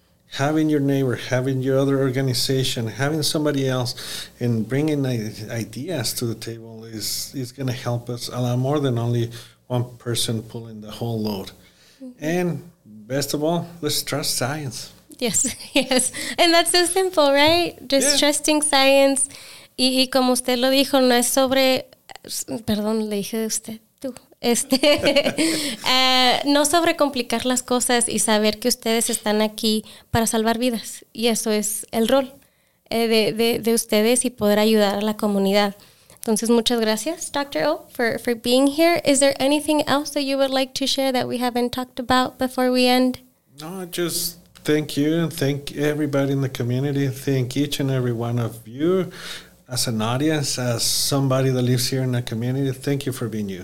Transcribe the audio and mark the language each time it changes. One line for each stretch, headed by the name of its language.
English: Having your neighbor, having your other organization, having somebody else, and bringing ideas to the table is going to help us a lot more than only one person pulling the whole load. Mm-hmm. And best of all, let's trust science. Yes, yes. And that's so simple, right? Just trusting science.
Spanish: Y como usted lo dijo, no es sobre... Perdón, le dije a usted. no sobre complicar las cosas y saber que ustedes están aquí para salvar vidas, y eso es el rol de ustedes y poder ayudar a la comunidad. Entonces, muchas gracias, Dr.
English: O, for being here. Is there anything else that you would like to share that we haven't talked about before we end? No, just thank you and thank everybody in the community, thank each and every one of you. As an audience, as somebody that lives here in the community, thank you for being you.